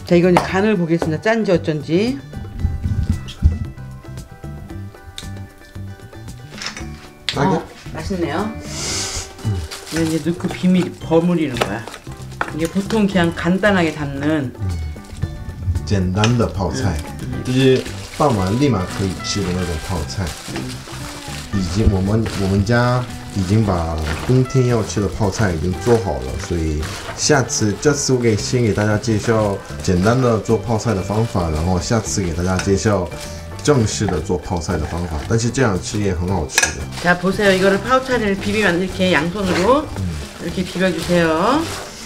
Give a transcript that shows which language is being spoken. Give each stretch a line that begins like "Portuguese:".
Korean: 자 이건 이제 간을 보겠습니다. 짠지 어쩐지. 딱이야? 맛있네요. 이건 이제 넣고 비밀 버무리는 거야. 이게 보통 그냥 간단하게 담는
Chinese: 간단한泡菜 이제 放完立马可以吃的那种泡菜，已经我们家已经把冬天要吃的泡菜已经做好了，所以下次这次我给先给大家介绍简单的做泡菜的方法，然后下次给大家介绍正式的做泡菜的方法，但是这样吃也很好吃的。
Korean: 자 보세요 이거를 파우차를 비비면 이렇게 양손으로 이렇게 비벼주세요.